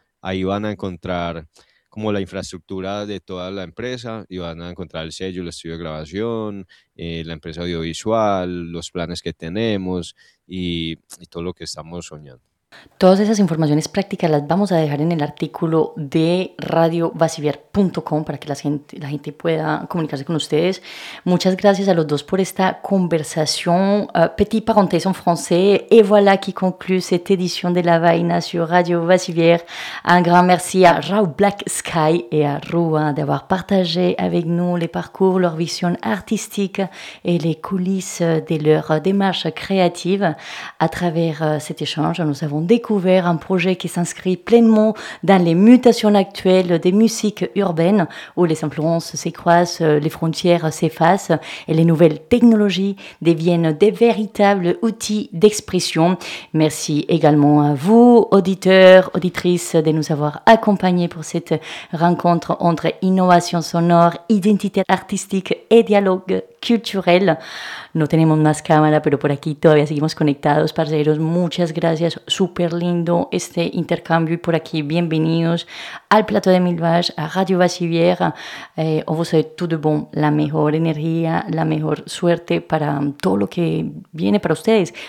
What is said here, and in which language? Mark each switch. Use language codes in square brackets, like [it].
[es] Ahí van a encontrar como la infraestructura de toda la empresa, y van a encontrar el sello, el estudio de grabación, la empresa audiovisual, los planes que tenemos y todo lo que estamos soñando. Todas esas informaciones prácticas las vamos a dejar en el artículo de radiovasivier.com para que la gente pueda comunicarse con ustedes. Muchas gracias a los dos por esta conversación. [fr] Petit parenthèse en français. Et voilà qui conclut cette édition de La Vaina sur Radio Vasivier. Un grand merci à Raoul Black Sky et à Rouen d'avoir partagé avec nous les parcours, leur vision artistique et les coulisses de leur démarche créative. À travers cet échange, nous avons découvert un projet qui s'inscrit pleinement dans les mutations actuelles des musiques urbaines, où les influences s'écroissent, les frontières s'effacent et les nouvelles technologies deviennent des véritables outils d'expression. Merci également à vous, auditeurs, auditrices, de nous avoir accompagnés pour cette rencontre entre innovation sonore, identité artistique et dialogue culturel. [es] No tenemos más cámara, pero por aquí todavía seguimos conectados. Parceros, muchas gracias. Súper lindo este intercambio. Y por aquí, bienvenidos al plateau de Mille Vaches, a Radio Vasivier. [fr] On vous souhaite tout de bon, [es] la mejor energía, la mejor suerte para todo lo que viene para ustedes.